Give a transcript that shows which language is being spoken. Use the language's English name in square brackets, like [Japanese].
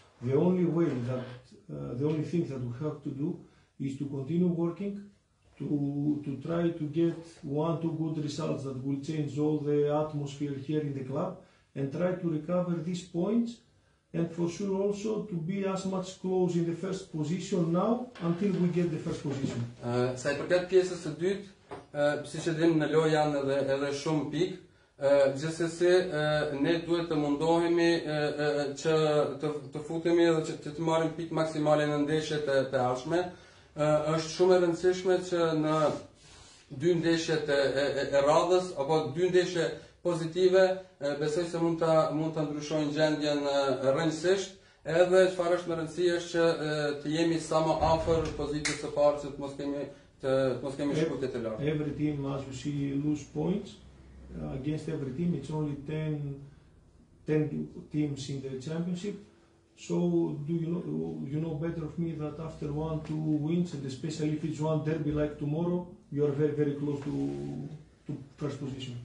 [English] The only way that the only thing that we have to do is to continue working to try to get one two good results that will change all the atmosphere here in the club. And try to recover these points, and for sure also to be as much close in the first position now until we get the first position. [Albanian] Sa I përket pjesës së dytë, siç e dimë në lojë janë edhe shumë pikë. Gjithsesi, ne duhet të mundohemi që të futemi edhe që të marrim pikë maksimale në ndeshjet të ardhshme. Është shumë e rëndësishme që në dy ndeshjet e radhës apo dy ndeshje pozitive, besoj se mund ta ndryshojnë gjendjen rëndësisht, edhe çfarë është më rëndësishme është që të jemi sa më afër pozicionit të parë që mos kemi shkurtet e lartë. [English] Every team as we see lose points against every team, it's only 10 teams in the championship. So do you know better of me that after one two wins and especially if it's one derby like tomorrow, you are very very close to first position.